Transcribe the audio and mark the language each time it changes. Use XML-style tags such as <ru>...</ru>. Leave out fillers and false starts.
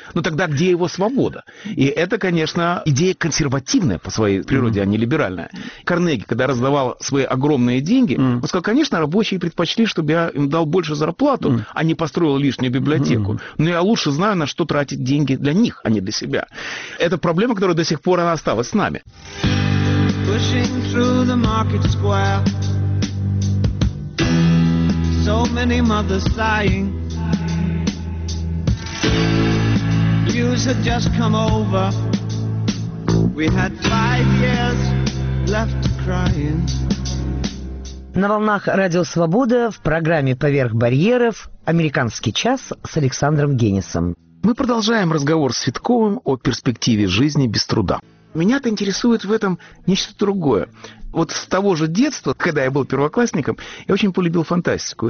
<ru>Но тогда где его свобода? И это, конечно, идея консервативная по своей природе, а не либеральная. Карнеги, когда раздавал свои огромные деньги, он сказал, конечно, рабочие предпочли, чтобы я им дал больше зарплату, а не построил лишнюю библиотеку. Но я лучше знаю, на что тратить деньги для них, а не для себя. Это проблема, которая до сих пор она осталось с нами.</ru> <en>Pushing through the market square. So many mothers sighing. News had just come over. We had 5 years left crying.</en> <ru>На волнах Радио Свобода в программе «Поверх барьеров» американский час с Александром Генисом. Мы продолжаем разговор с Светковым о перспективе жизни без труда. Меня-то интересует в этом нечто другое. Вот с того же детства, когда я был первоклассником, я очень полюбил фантастику.</ru>